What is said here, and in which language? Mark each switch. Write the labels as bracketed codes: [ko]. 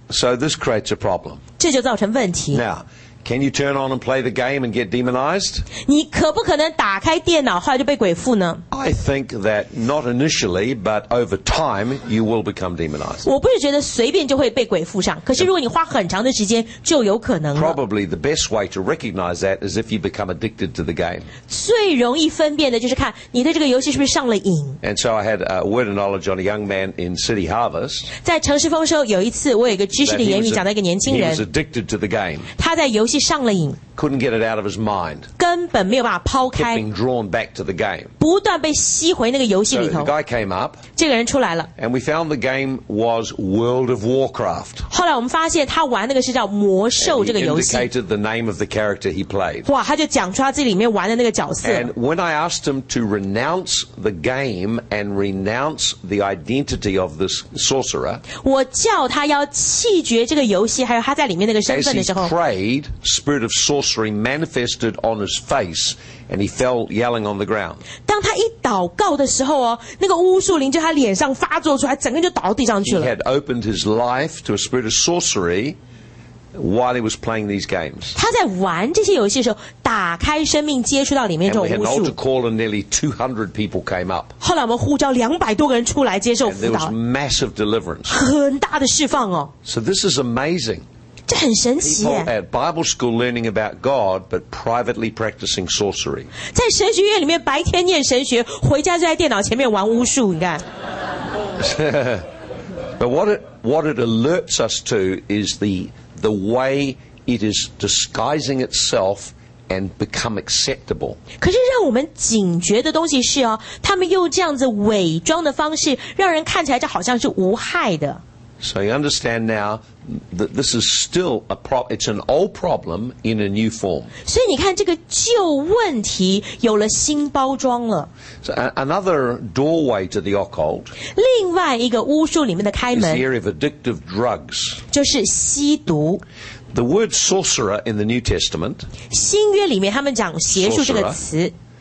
[en] So this creates a problem. [zh] 这就造成问题。 [en] Now, can you turn on and play the game and get demonized? [zh] 你可不可能打开电脑后来就被鬼附呢？ [en] I think that not initially, but over time, you will become demonized. [zh] 我不是觉得随便就会被鬼附上，可是如果你花很长的时间，就有可能了。 [en] Probably the best way to recognize that is if you become addicted to the game. [zh] 最容易分辨的就是看你对这个游戏是不是上了瘾。 [en] And so I had a word of knowledge on a young man in City Harvest. [zh] 在城市丰收有一次，我有一个知识的言语讲到一个年轻人。 [en] He was addicted to the game. [zh] 他在游戏上了瘾。 [en] Couldn't get it out of his mind. [zh] 根本没有办法抛开。 [en] Kept being drawn back to the game. [zh] 不断被吸回那个游戏里头。 [en] So the guy came up. [zh] 这个人出来了。 [en] And we found the game was World of Warcraft. [zh] 后来我们发现他玩那个是叫魔兽这个游戏。 [en] And he indicated the name of the character he played. [zh] 哇，他就讲出他自己里面玩的那个角色。 [en] And when I asked him to renounce the game and renounce the identity of this sorcerer. [zh] 我叫他要弃绝这个游戏还有他在里面那个身份的时候。 [en] As he prayed, spirit of sorcery manifested on his face and he fell yelling on the ground. [zh] 当他一祷告的时候哦，那个巫术灵就他脸上发作出来，整个就倒地上去了。 [en] He had opened his life to a spirit of sorcery while he was playing these games. [zh] 他在玩这些游戏的时候，打开生命接触到里面这种巫术。 [en] And we had an altar call and nearly 200 people came up. [zh] 后来我们呼召200多个人出来接受辅导。 [en] And there was massive deliverance. [zh] 很大的释放哦。 [en] So this is amazing. [zh] 这很神奇耶。 [en] People at Bible school learning about God, but privately practicing sorcery. [zh] 在神学院里面白天念神学，回家就在电脑前面玩巫术，你看。 [en] But what it alerts us to is the way it is disguising itself and become acceptable. [zh] 可是让我们警觉的东西是哦，他们用这样子伪装的方式，让人看起来就好像是无害的。 [en] So you understand now that this is still a problem. It's an old problem in a new form. [zh] 所以你看这个旧问题有了新包装了。 [en] So another doorway to the occult. [zh] 另外一个巫术里面的开门。 [en] Is the area of addictive drugs. [zh] 就是吸毒。 [en] The word sorcerer in the New Testament. [zh] 新约里面他们讲邪术这个词。